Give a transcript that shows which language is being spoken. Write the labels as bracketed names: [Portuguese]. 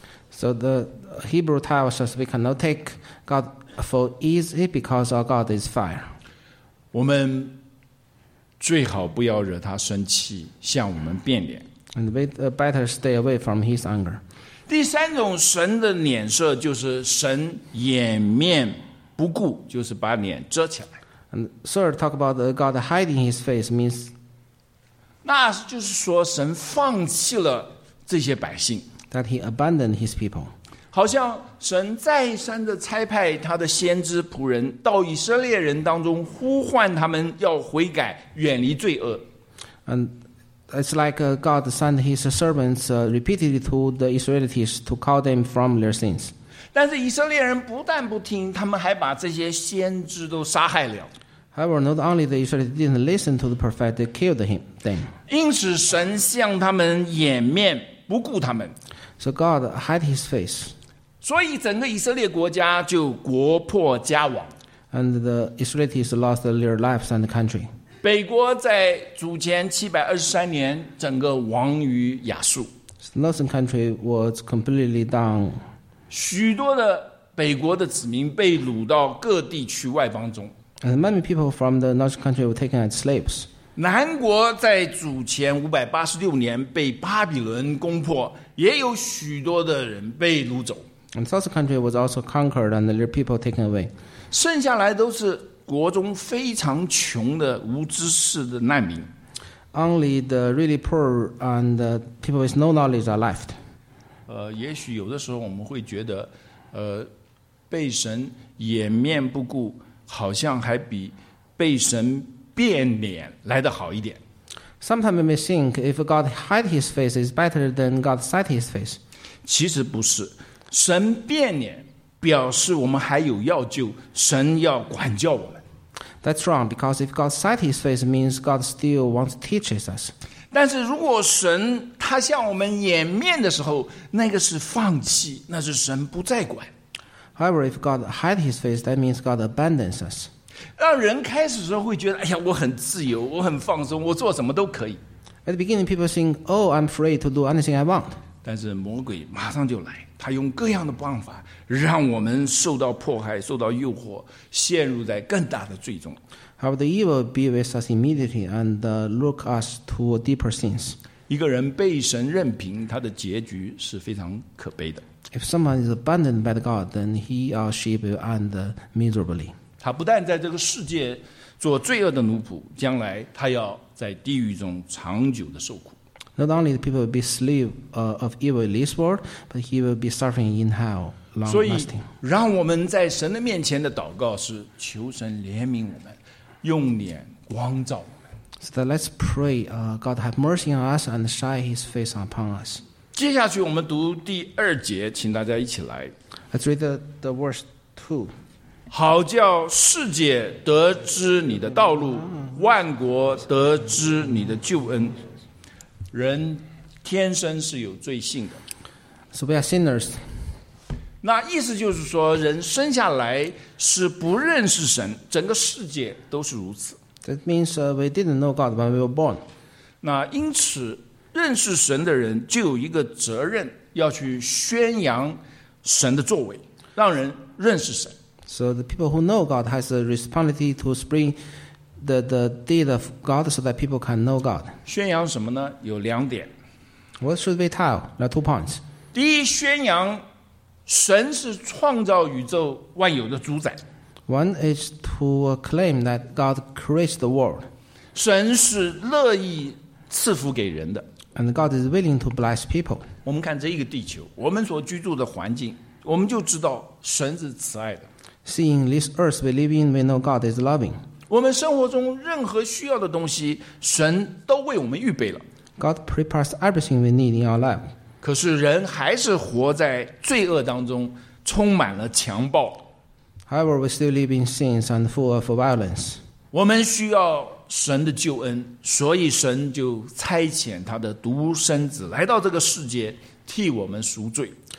[English] So the Hebrew tells us we cannot take God for easy because our God is fire. [Chinese] 我们最好不要惹他生气，向我们变脸。 [English] And we better stay away from his anger. [Chinese] 第三种神的脸色就是神掩面不顾，就是把脸遮起来。 [English] And third, talk about God hiding his face means. [Chinese] 那就是说神放弃了这些百姓。 [English] That he abandoned his people. [Chinese] 好像神再三的差派他的先知仆人到以色列人当中呼唤他们要悔改，远离罪恶。 [English] And it's like God sent his servants repeatedly to the Israelites to call them from their sins. [Chinese] 但是以色列人不但不听，他们还把这些先知都杀害了。 [English] However, not only the Israelites didn't listen to the prophet, they killed him. Then, [Chinese] 因此神向他们掩面不顾他们。 [English] So God hid his face. [Chinese] 所以整个以色列国家就国破家亡。 [English] And the Israelites lost their lives and country. [Chinese] 北国在主前723年整个亡于亚述。 [English] The northern country was completely down. [Chinese] 许多的北国的子民被掳到各地去外邦中。 [English] And many people from the northern country were taken as slaves. [Chinese] 南国在主前586年被巴比伦攻破，也有许多的人被掳走。 [English] And southern country was also conquered and their people taken away. [Chinese] 剩下来都是国中非常穷的无知识的难民。 [English] Only the really poor and the people with no knowledge are left. [Chinese] 也许有的时候我们会觉得，被神掩面不顾，好像还比被神变脸来得好一点。 [English] Sometimes we may think if God hide his face is better than God set his face. [Chinese] 其实不是，神变脸表示我们还有要救，神要管教我们。 [English] That's wrong, because if God set his face means God still wants to teach us. [Chinese] 但是如果神他向我们掩面的时候，那个是放弃，那是神不再管。 [English] However, if God hide his face, that means God abandons us. [Chinese] 让人开始的时候会觉得，哎呀，我很自由，我很放松，我做什么都可以。 [English] At the beginning, people think, oh, I'm free to do anything I want. [Chinese] 但是魔鬼马上就来，他用各样的办法让我们受到迫害，受到诱惑，陷入在更大的罪中。 [English] However, the evil be with us immediately and look us to deeper sins. [Chinese] 一个人被神任凭，他的结局是非常可悲的。 [English] If someone is abandoned by the God, then he or she will end miserably. [Chinese] 他不但在这个世界做罪恶的奴仆，将来他要在地狱中长久的受苦。 [English] Not only the people will be slaves of evil in this world, but he will be suffering in hell long lasting. [Chinese] 所以，让我们在神的面前的祷告是求神怜悯我们，用脸光照我们。 [English] So let's pray, God have mercy on us and shine His face upon us. [Chinese] 接下去我们读第二节，请大家一起来。 [English] Let's read the verse 2. [Chinese] 好叫世界得知你的道路，万国得知你的救恩。人天生是有罪性的。 [English] So we are sinners. [Chinese] 那意思就是说，人生下来是不认识神，整个世界都是如此。 [English] That means we didn't know God when we were born. [Chinese] 那因此认识神的人就有一个责任，要去宣扬神的作为，让人认识神。 [English] So the people who know God has a responsibility to spread the deed of God so that people can know God. [Chinese] 宣扬什么呢？有两点。 [English] What should we tell? There are 2 points. [Chinese] 第一，宣扬神是创造宇宙万有的主宰。 [English] One is to claim that God creates the world. [Chinese] 神是乐意赐福给人的。 [English] And God is willing to bless people. [Chinese] 我们看这一个地球，我们所居住的环境，我们就知道神是慈爱的。 [English] Seeing this earth we live in, we know God is loving. [Chinese] 我们生活中任何需要的东西，神都为我们预备了。 [English] God prepares everything we need in our life. [Chinese] 可是人还是活在罪恶当中，充满了强暴。 [English] However, we still live in sins and full of violence. [Chinese] 我们需要神的救恩，所以神就差遣他的独生子来到这个世界，替我们赎罪。